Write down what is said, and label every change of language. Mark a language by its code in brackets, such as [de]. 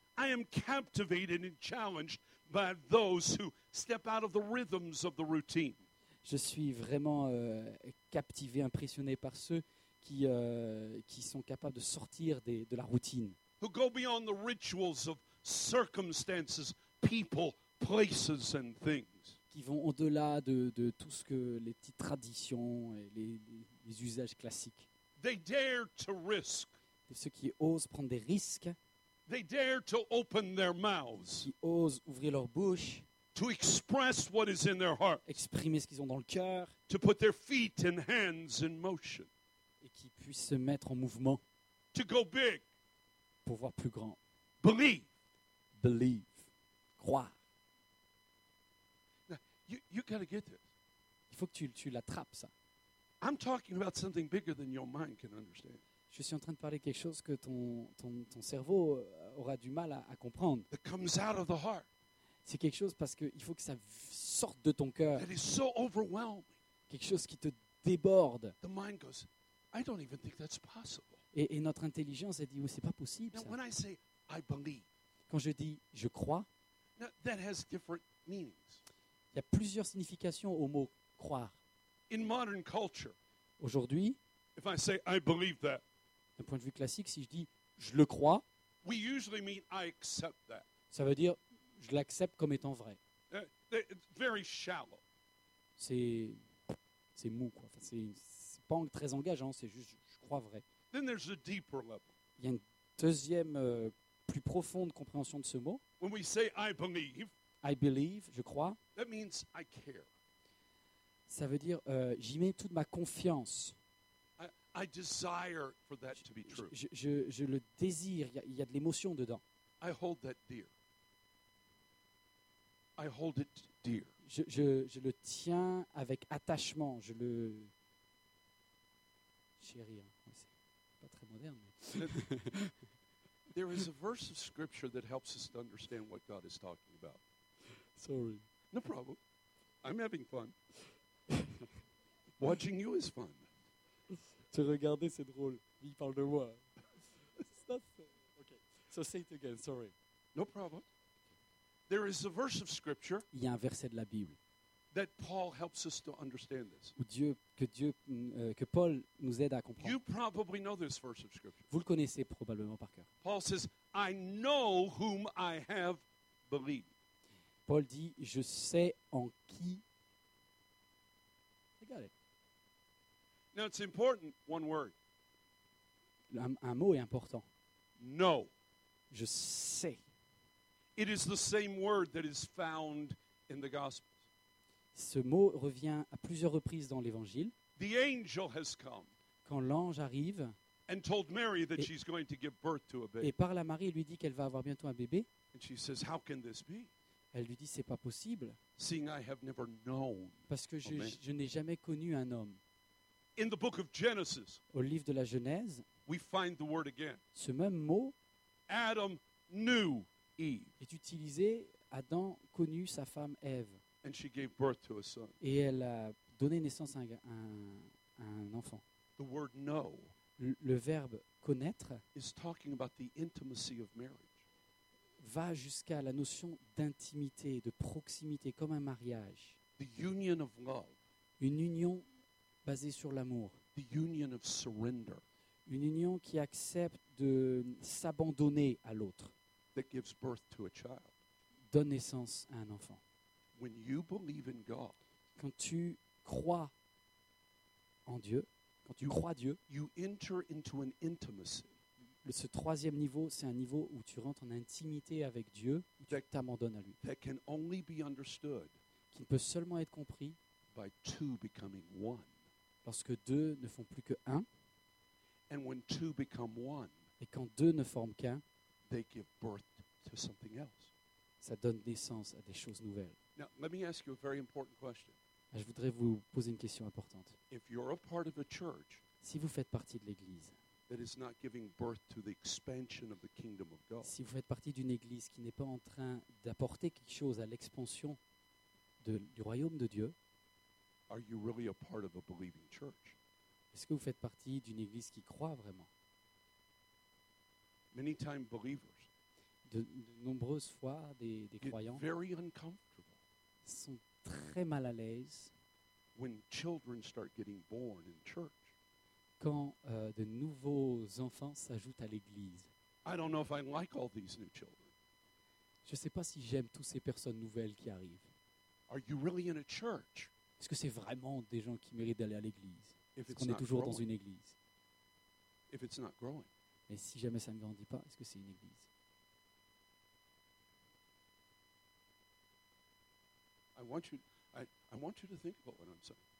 [en] I am captivated and challenged by those who step out of the rhythms of the routine. [fr] Je suis vraiment captivé, impressionné par ceux qui sont capables de sortir de la routine. [en] Who go beyond the rituals of circumstances, people, places and things. [fr] Qui vont au-delà de tout ce que les petites traditions et les usages classiques. [en] They dare to risk. [fr] De ceux qui osent prendre des risques. [en] They dare to open their mouths. [fr] Qui osent ouvrir leur bouche. [en] To express what is in their heart. [fr] Exprimer ce qu'ils ont dans le cœur. [en] To put their feet and hands in motion. [fr] Et qui puissent se mettre en mouvement. [en] To go big. [fr] Pour voir plus grand. [en] Believe. Believe. [fr] Croire. [en] Now, you gotta get this. [fr] Il faut que tu l'attrapes ça. [en] I'm talking about something bigger than your mind can understand. [fr] Je suis en train de parler quelque chose que ton cerveau aura du mal à comprendre. [en] It comes out of the heart. [fr] C'est quelque chose parce qu'il faut que ça sorte de ton cœur. [en] That is so overwhelming. [fr] Quelque chose qui te déborde. [en] The mind goes, I don't even think that's possible. [fr] Et notre intelligence a dit, oui, c'est pas possible. [en] Now, when I say, I believe, [fr] quand je dis, je crois, [en] now, that has different meanings. [fr] Il y a plusieurs significations au mot croire. [en] In modern culture, [fr] aujourd'hui, [en] if I say, I believe that, [fr] d'un point de vue classique, si je dis, je le crois, [en] we usually mean, I accept that. [fr] Ça veut dire, je l'accepte comme étant vrai. [en] Very shallow. [fr] C'est mou, quoi. Enfin, c'est pas très engageant, c'est juste je crois vrai. [en] Then there's a deeper level. [fr] Il y a une deuxième, plus profonde compréhension de ce mot. [en] When we say I believe, [fr] je crois, [en] that means I care. [fr] Ça veut dire j'y mets toute ma confiance. [en] I desire for that to be true. [fr] Je le désire, il y a de l'émotion dedans. [en] I hold that dear. I hold it dear. [fr] Je le tiens avec attachement. Je le chéris. Hein. C'est pas très moderne. Mais. [en] There is a verse of scripture that helps us to understand what God is talking about. Sorry. No problem. I'm having fun. Watching you is fun. [fr] Te regarder, c'est drôle. Il parle de moi. [en] Okay. So say it again. Sorry. No problem. There is a verse of scripture. [fr] Il y a un verset de la Bible. [en] That Paul helps us to understand this. [fr] Que Paul nous aide à comprendre. [en] You probably know this verse of scripture. [fr] Vous le connaissez probablement par cœur. [en] Paul says, I know whom I have believed. [fr] Paul dit, je sais en qui. [en] I got it. Now it's important, one word. [fr] Un mot est important. [en] No. [fr] Je sais. [en] It is the same word that is found in the Gospels. [fr] Ce mot revient à plusieurs reprises dans l'Évangile. [en] The angel has come. [fr] Quand l'ange arrive. [en] And told Mary that she's going to give birth to a baby. [fr] Et parle à Marie et lui dit qu'elle va avoir bientôt un bébé. [en] And she says, how can this be? [fr] Elle lui dit, c'est pas possible. [en] Seeing I have never known. [fr] Parce que je n'ai jamais connu un homme. [en] In the book of Genesis. [fr] Au livre de la Genèse. [en] We find the word again. [fr] Ce même mot. [en] Adam knew. [fr] Est utilisé, Adam connut sa femme Ève. [en] And she gave birth to a son. [fr] Et elle a donné naissance à un enfant. [en] The word know [fr] le verbe connaître [en] is talking about the intimacy of marriage. [fr] Va jusqu'à la notion d'intimité, de proximité, comme un mariage. [en] The union of love. [fr] Une union basée sur l'amour. [en] The union of surrender. [fr] Une union qui accepte de s'abandonner à l'autre. [en] That gives birth to a child. [fr] Donne naissance à un enfant. [en] When you believe in God, [fr] quand tu crois en Dieu, quand tu crois Dieu, [en] you enter into an intimacy. [fr] Ce troisième niveau, c'est un niveau où tu rentres en intimité avec Dieu, où tu t'abandonnes à lui. [en] That can only be understood [fr] qui ne peut seulement être compris [en] by two becoming one. [fr] Lorsque deux ne font plus que un. [en] And when two become one, [fr] et quand deux ne forment qu'un, [en] they give birth to something else. [fr] Ça donne naissance à des choses nouvelles. [en] Now, let me ask you a very important question. [fr] Je voudrais vous poser une question importante. [en] If you're a part of a church, [fr] si vous faites partie de l'Église, [en] that is not giving birth to the expansion of the kingdom of God. [fr] Si vous faites partie d'une église qui n'est pas en train d'apporter quelque chose à l'expansion du royaume de Dieu, [en] are you really a part of a believing church? [fr] Est-ce que vous faites partie d'une église qui croit vraiment? [en] Many times believers, [fr] de nombreuses fois des croyants [en] very uncomfortable [fr] sont très mal à l'aise [en] when children start getting born in church. [fr] Quand de nouveaux enfants s'ajoutent à l'église. [en] I don't know if I like all these new children. [fr] Je ne sais pas si j'aime toutes ces personnes nouvelles qui arrivent. [en] Are you really in a church? [fr] Est-ce que c'est vraiment des gens qui méritent d'aller à l'église? [en] If [fr] est-ce qu'on est toujours dans une église? [en] If it's not growing. [fr] Mais si jamais ça ne grandit pas, est-ce que c'est une église? [en] I want you to think about what I'm saying.